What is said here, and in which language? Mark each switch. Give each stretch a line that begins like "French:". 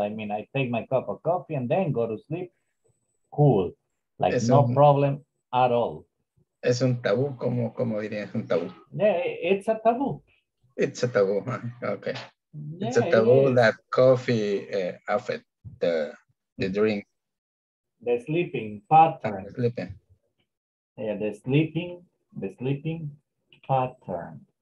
English: I mean, I take my cup of coffee and then go to sleep. Cool. Like, no problem at all.
Spanish: Es un tabú, como diría, es un tabú.
English: Yeah, it's a tabú. It's a tabú, okay. Yeah, it's a tabú that coffee affect the drink. The sleeping pattern. The sleeping pattern.